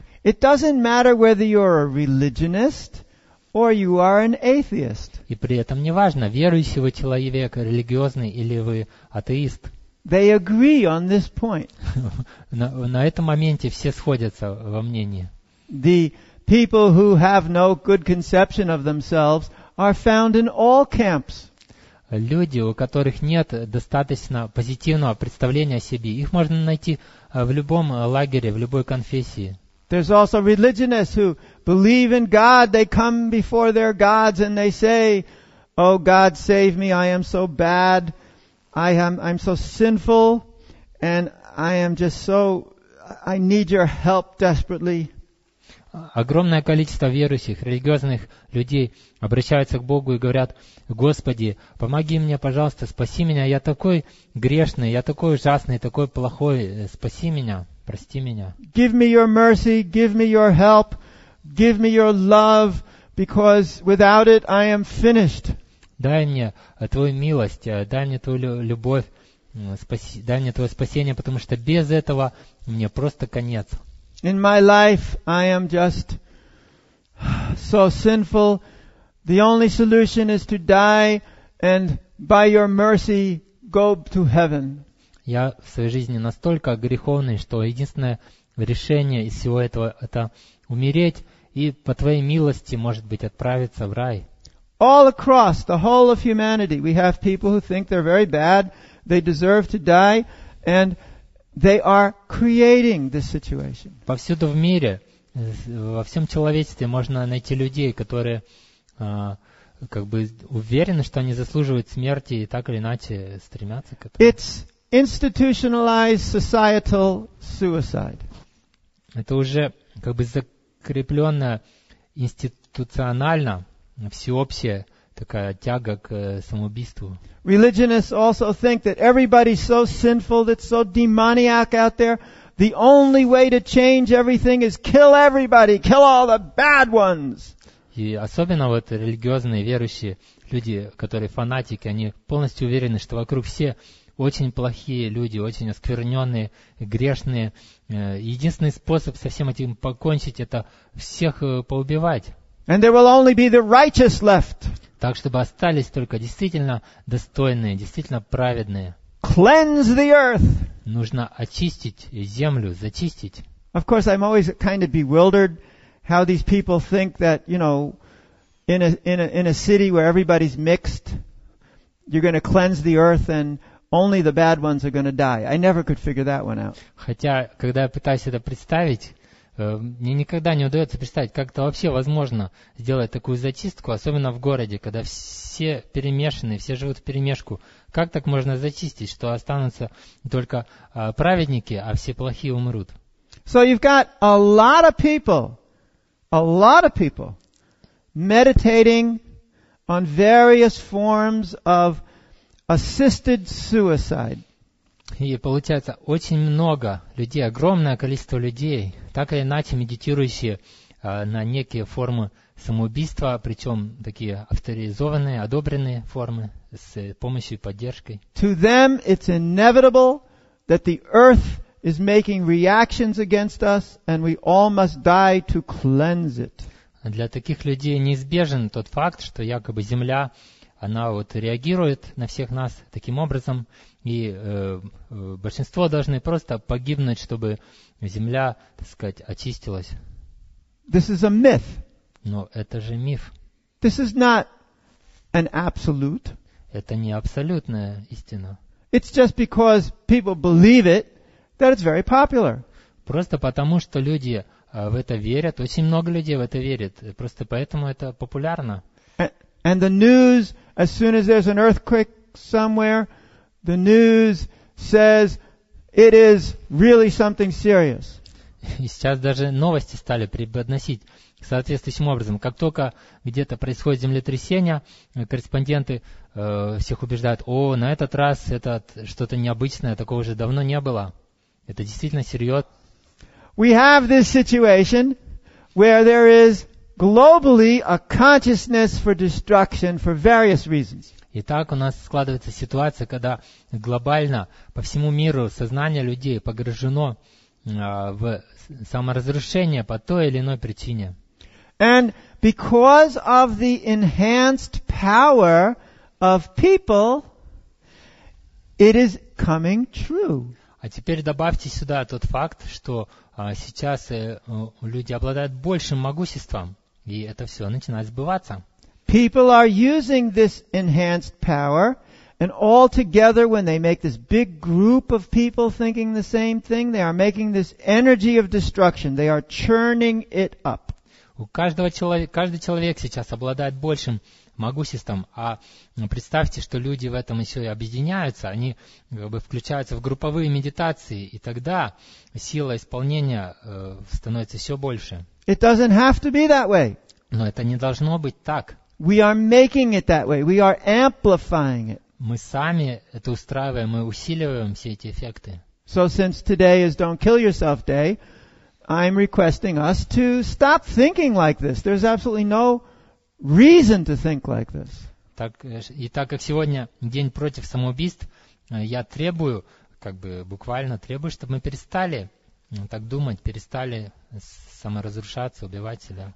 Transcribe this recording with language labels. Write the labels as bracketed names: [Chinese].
[English] It doesn't matter whether you're a religionist or you are an atheist. [Russian] И при этом не важно, верующий вы человек, религиозный или вы атеист. [English] They agree on this point. [Russian] На этом моменте все сходятся во мнении. [English] The people who have no good conception of themselves are found in all camps. [Russian] Люди, у которых нет достаточно позитивного представления о себе, их можно найти в любом лагере, в любой конфессии. [English] There's also religionists who believe in God. They come before their gods and they say, "Oh God, save me! I am so bad. I'm so sinful, and I am just so. I need your help desperately." [Russian] Огромное количество верующих, религиозных людей обращаются к Богу и говорят: «Господи, помоги мне, пожалуйста, спаси меня, я такой грешный, я такой ужасный, такой плохой, спаси меня, прости меня». [English] Give me your mercy, give me your help, give me your love, because without it I am finished. [Russian] Дай мне твою милость, дай мне твою любовь, дай мне твое спасение, потому что без этого мне просто конец. [English] In my life, I am just so sinful. The only solution is to die, and by your mercy, go to heaven. [Russian] Я в своей жизни настолько греховный, что единственное решение из всего этого — это умереть, и по твоей милости, может быть, отправиться в рай. [English] All across the whole of humanity, we have people who think they're very bad, they deserve to die, and they are creating this situation. [Russian] Повсюду в мире, во всем человечестве можно найти людей, которые как бы уверены, что они заслуживают смерти и так или иначе стремятся к этому. [English] It's institutionalized societal suicide. [Russian] Это уже как бы закрепленная институционально всеобщая такая тяга к самоубийству. [English] Religionists also think that everybody's so sinful, that's so demoniac out there. The only way to change everything is kill everybody, kill all the bad ones. [Russian] И особенно вот религиозные верующие люди, которые фанатики, они полностью уверены, что вокруг все очень плохие люди, очень оскверненные, грешные. Единственный способ со всем этим покончить — это всех поубивать. [English] And there will only be the righteous left. [Russian] Так, чтобы остались только действительно достойные, действительно праведные. [English] Cleanse the earth. [Russian] Нужно очистить землю, зачистить. [English] Of course, I'm always kind of bewildered how these people think that, you know, in a city where everybody's mixed, you're going to cleanse the earth and only the bad ones are going to die. I never could figure that one out. [Russian] Хотя, когда я пытаюсь это представить, мне никогда не удается представить, как это вообще возможно сделать такую зачистку, особенно в городе, когда все перемешаны, все живут в перемешку. Как так можно зачистить, что останутся только праведники, а все плохие умрут? [English] So you've got a lot of people meditating on various forms of assisted suicide. [Russian] И получается очень много людей, огромное количество людей, так или иначе медитирующие на некие формы самоубийства, причем такие авторизованные, одобренные формы с помощью и поддержкой. [English] To them it's inevitable that the earth is making reactions against us and we all must die to cleanse it. [Russian] Для таких людей неизбежен тот факт, что якобы земля, она вот реагирует на всех нас таким образом, и большинство должны просто погибнуть, чтобы земля, так сказать, очистилась. [English] This is a myth. [Russian] Но это же миф. [English] This is not an absolute. [Russian] Это не абсолютная истина. [English] It's just because people believe it that it's very popular. [Russian] Просто потому, что люди в это верят, очень много людей в это верят, просто поэтому это популярно. [English] And the news, as soon as there's an earthquake somewhere, the news says it is really something serious. [Russian] И сейчас даже новости стали преподносить соответствующим образом. Как только где-то происходит землетрясение, корреспонденты всех убеждают: о, на этот раз это что-то необычное, такого уже давно не было. Это действительно серьезно. [English] We have this situation where there is globally a consciousness for destruction for various reasons. [Russian] Итак, у нас складывается ситуация, когда глобально по всему миру сознание людей погружено в саморазрушение по той или иной причине. [English] And because of the enhanced power of people, it is coming true. [Russian] А теперь добавьте сюда тот факт, что сейчас люди обладают большим могуществом, и это все начинает сбываться. [English] People are using this enhanced power, and all together, when they make this big group of people thinking the same thing, they are making this energy of destruction. They are churning it up. [Russian] У каждого человека, каждый человек сейчас обладает большим могуществом, а представьте, что люди в этом еще и объединяются, они как бы включаются в групповые медитации, и тогда сила исполнения становится все больше. [English] It doesn't have to be that way. [Russian] Но это не должно быть так. [English] We are making it that way. We are amplifying it. [Russian] Мы сами это устраиваем, мы усиливаем все эти эффекты. [English] So since today is Don't Kill Yourself Day, I'm requesting us to stop thinking like this. There's absolutely no reason to think like this. [Russian] Так, и так как сегодня день против самоубийств, я требую, как бы буквально требую, чтобы мы перестали так думать, перестали саморазрушаться, убивать себя.